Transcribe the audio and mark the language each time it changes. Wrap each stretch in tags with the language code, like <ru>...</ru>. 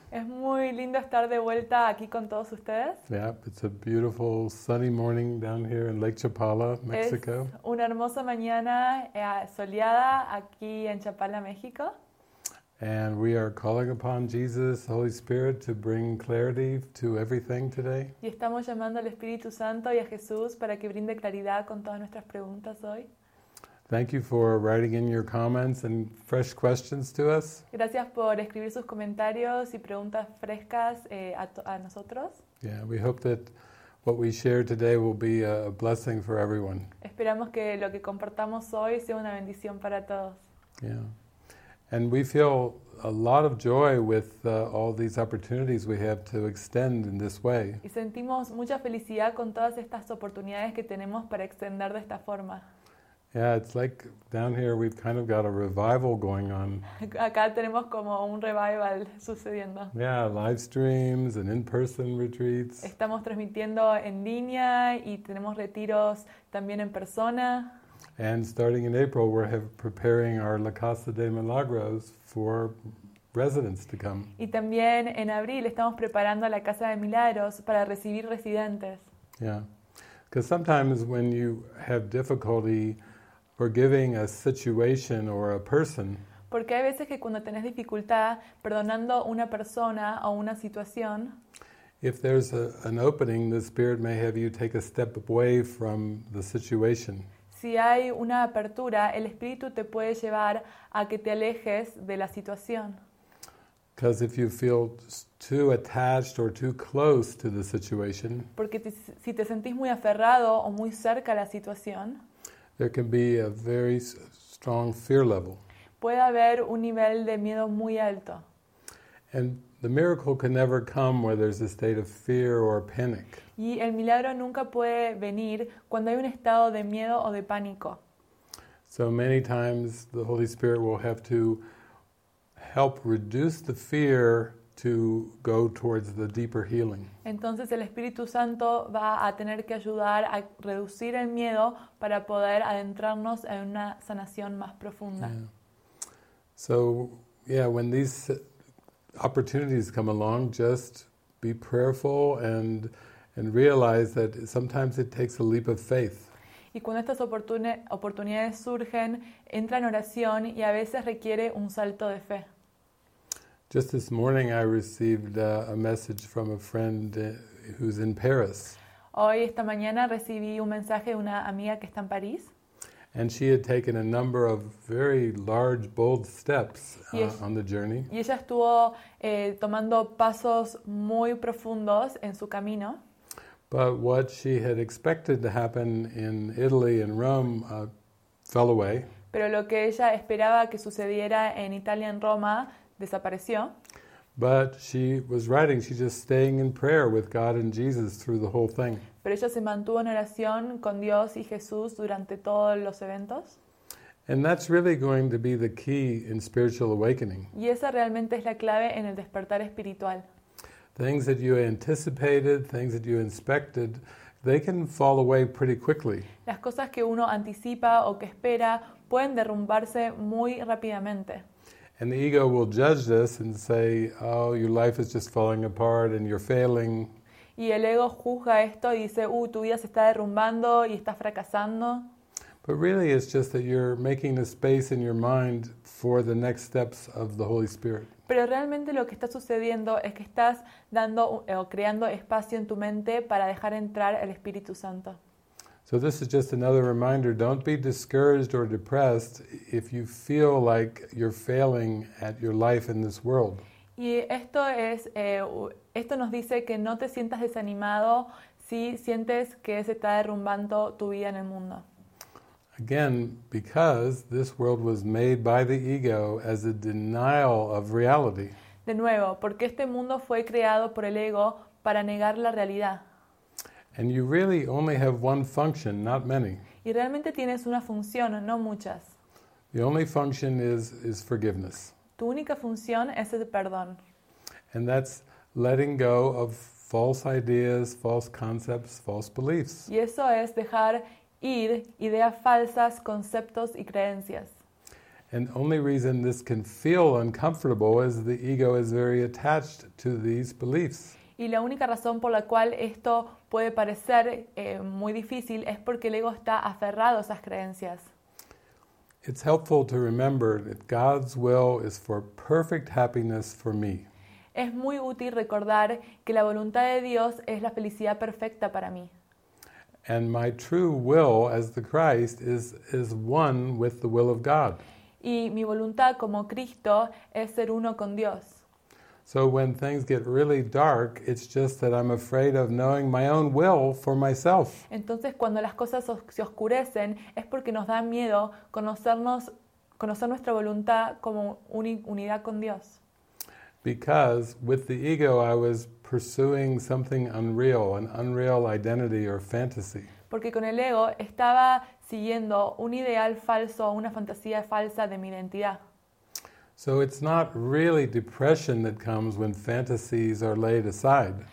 <es>Es muy lindo estar de vuelta aquí con todos ustedes.</es> <en>Yeah, it's a beautiful sunny morning down here in Lake Chapala, Mexico.</en> <es>Es una hermosa mañana soleada aquí en Chapala, México.</es> <en>And we are calling upon Jesus, the Holy Spirit, to bring clarity to everything today.</en> <es>Y estamos llamando al Espíritu Santo y a Jesús para que brinde claridad con todas nuestras preguntas hoy.</es> <en>Thank you for writing in your comments and fresh questions to us.</en> <es>Gracias por escribir sus comentarios y preguntas frescas a nosotros.</es> <en>Yeah, we hope that what we share today will be a blessing for everyone.</en> <es>Esperamos que lo que compartamos hoy sea una bendición para todos.</es> <en>Yeah. And we feel a lot of joy with all these opportunities we have to extend in this way.</en> <es>Y sentimos mucha felicidad con todas estas oportunidades que tenemos para extender de esta forma.</es> <en>Yeah, it's like down here we've kind of got a revival going on.</en> <es>Acá tenemos como un revival sucediendo.</es> <en>Yeah, live streams and in-person retreats.</en> <es>Estamos transmitiendo en línea y tenemos retiros también en persona.</es> <en>And starting in April, we're preparing our La Casa de Milagros for residents to come.</en> <es>Y también en abril estamos preparando la Casa de Milagros para recibir residentes.</es> <en>Yeah, because sometimes when you have difficulty forgiving a situation or a person.</en> <es>Porque hay veces que cuando tenés dificultad perdonando una persona o una situación.</es> <en>If there's an opening, the Spirit may have you take a step away from the situation.</en> <es>Si hay una apertura, el Espíritu te puede llevar a que te alejes de la situación.</es> <en>Because if you feel too attached or too close to the situation.</en> <es>Porque si te sentís muy aferrado o muy cerca a la situación.</es> <en>There can be a very strong fear level.</en> <es>Puede haber un nivel de miedo muy alto.</es> <en>And the miracle can never come where there's a state of fear or panic.</en> <es>Y el milagro nunca puede venir cuando hay un estado de miedo o de pánico.</es> <en>So many times the Holy Spirit will have to help reduce the fear to go towards the deeper healing.</en> <es>Entonces el Espíritu Santo va a tener que ayudar a reducir el miedo para poder adentrarnos en una sanación más profunda.</es> <en>Yeah. So, yeah, when these opportunities come along, just be prayerful and realize that sometimes it takes a leap of faith.</en> <es>Y cuando estas oportunidades surgen, entra en oración y a veces requiere un salto de fe.</es> <en>Just this morning I received a message from a friend who's in Paris.</en> <es>Hoy esta mañana recibí un mensaje de una amiga que está en París.</es> <en>And she had taken a number of very large, bold steps on the journey.</en> <es>Y ella estuvo tomando pasos muy profundos en su camino.</es> <en>But what she had expected to happen in Italy and Rome fell away.</en> <es>Pero lo que ella esperaba que sucediera en Italia en Roma desapareció.</es> <en>But she was writing, she's just staying in prayer with God and Jesus through the whole thing.</en> <es>Pero ella se mantuvo en oración con Dios y Jesús durante todos los eventos.</es> <en>And that's really going to be the key in spiritual awakening.</en> <es>Y esa realmente es la clave en el despertar espiritual.</es> <en>Things that you anticipated, things that you expected, they can fall away pretty quickly.</en> <es>Las cosas que uno anticipa o que espera pueden derrumbarse muy rápidamente.</es> <en>And the ego will judge this and say, oh, your life is just falling apart and you're failing.</en> <es>Y el ego juzga esto y dice, tu vida se está derrumbando y estás fracasando.</es> <en>But really it's just that you're making a space in your mind for the next steps of the Holy Spirit.</en> <es>Pero realmente lo que está sucediendo es que estás dando o creando espacio en tu mente para dejar entrar el Espíritu Santo.</es> <en>So this is just another reminder, don't be discouraged or depressed if you feel like you're failing at your life in this world.</en> <es>Y esto es, esto nos dice que no te sientas desanimado si sientes que se está derrumbando tu vida en el mundo.</es> <en>Again, because this world was made by the ego as a denial of reality.</en> <es>De nuevo, porque este mundo fue creado por el ego para negar la realidad.</es> <en>And you really only have one function, not many.</en> <es>Y realmente tienes una función, no muchas.</es> <en>The only function is forgiveness.</en> <es>Tu única función es el perdón.</es> <en>And that's letting go of false ideas, false concepts, false beliefs.</en> <es>Y eso es dejar ir, ideas falsas, conceptos y creencias.</es> <en>And the only reason this can feel uncomfortable is the ego is very attached to these beliefs.</en> <es>Y la única razón por la cual esto puede parecer muy difícil es porque el ego está aferrado a esas creencias.</es> <en>It's helpful to remember that God's will is for perfect happiness for me.</en> <es>Es muy útil recordar que la voluntad de Dios es la felicidad perfecta para mí.</es> <en>And my true will as the Christ is one with the will of God.</en> <es>Y mi voluntad como Cristo es ser uno con Dios.</es> <en>So when things get really dark, it's just that I'm afraid of knowing my own will for myself.</en> <es>Entonces, cuando las cosas se oscurecen, es porque nos da miedo conocer nuestra voluntad como unidad con Dios.</es> <en>Because with the ego, I was pursuing something unreal, an unreal identity or fantasy.</en> <es>Porque con el ego estaba siguiendo un ideal falso, una fantasía falsa de mi identidad.</es> <en>So it's not really depression that comes when fantasies are laid aside.</en>